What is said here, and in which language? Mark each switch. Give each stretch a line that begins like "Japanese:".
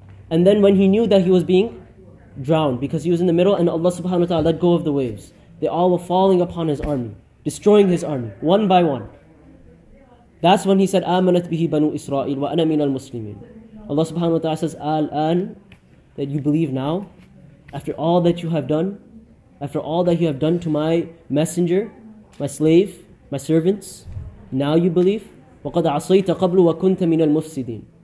English: And then when he knew that he was being drowned, because he was in the middle and Allah subhanahu wa ta'ala let go of the waves, they all were falling upon his army, destroying his army, one by one. That's when he said,
Arabic: آمَنَتْ بِهِ بَنُوا إِسْرَائِيلُ وَأَنَا مِنَ الْمُسْلِمِينَ.
English: Allah subhanahu wa ta'ala says, Al-an, that you believe now, after all that you have done, after all that you have done to my messenger, my slave, my servants, now you believe?
Arabic: وَقَدْ عَصَيْتَ قَبْلُ وَكُنْتَ مِنَ الْمُفْسِدِينَ.